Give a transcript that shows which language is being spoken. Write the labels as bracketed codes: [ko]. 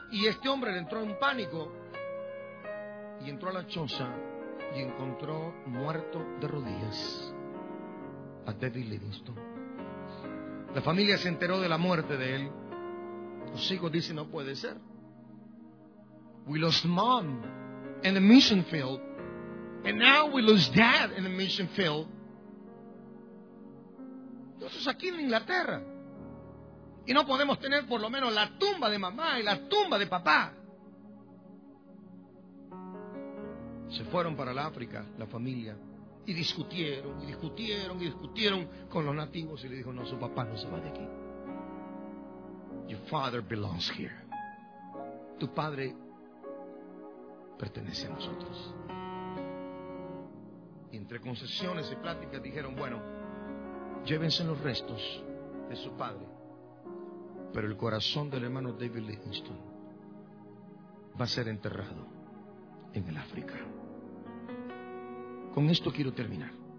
[es] Y este hombre le entró en pánico y entró a la choza y encontró muerto de rodillas a David Livingstone. La familia se enteró de la muerte de él. Los hijos dicen: no puede ser. [en] We lost mom in the mission field and now we lost dad in the mission field. [es] Nosotros aquí en Inglaterra y no podemos tener por lo menos la tumba de mamá y la tumba de papá. Se fueron para el África, la familia, y discutieron y discutieron y discutieron con los nativos, y le dijo: no, su papá no se va de aquí. [en] Your father belongs here. [es] Tu padre pertenece a nosotros. Y entre concesiones y pláticas dijeron, bueno, llévense los restos de su padre, pero el corazón del hermano David Livingstone va a ser enterrado en el África. Con esto quiero terminar.